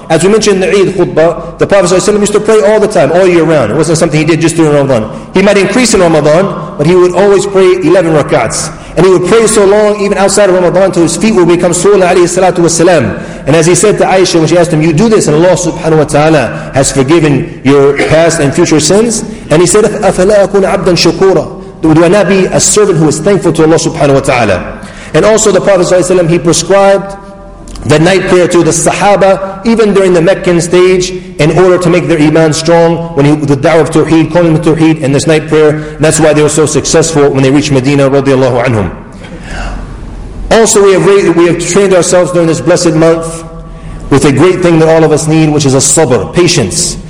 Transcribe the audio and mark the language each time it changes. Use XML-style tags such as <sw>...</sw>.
<en>As we mentioned in the Eid khutbah, the Prophet ﷺ used to pray all the time, all year round. It wasn't something he did just during Ramadan. He might increase in Ramadan, but he would always pray 11 rak'ats. And he would pray so long, even outside of Ramadan, till his feet would become swollen, alayhi salatu wasalam. And as he said to Aisha, when she asked him, you do this, and Allah subhanahu wa ta'ala has forgiven your past and future sins. And he said,</en> <ar>أَفَلَا أَكُونَ عَبْدًا شُكُورًا.</ar> <en>Do I not be a servant who is thankful to Allah subhanahu wa ta'ala? And also the Prophet ﷺ, he prescribed the night prayer to the Sahaba, even during the Meccan stage, in order to make their iman strong, when the da'wah of Tawheed, calling the Tawheed, and this night prayer. And that's why they were so successful when they reached Medina, radiallahu anhum. Also, we have trained ourselves during this blessed month with a great thing that all of us need, which is a sabr, patience.</en>